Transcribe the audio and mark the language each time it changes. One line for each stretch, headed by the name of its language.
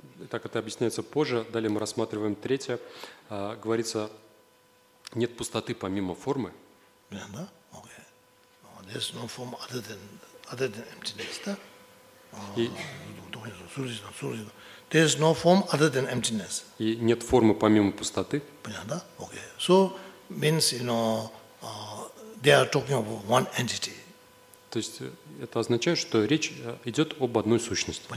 Russian: Так это объясняется позже. Далее мы рассматриваем третье. Говорится, нет пустоты помимо формы. Понятно, да?
English: Окей. There's no form other than emptiness. There's no form other than emptiness.
Russian: И нет формы помимо пустоты. Понятно, да? Okay.
English: So means, you know, they are talking about one entity.
Russian: То есть это означает, что речь идет об одной сущности.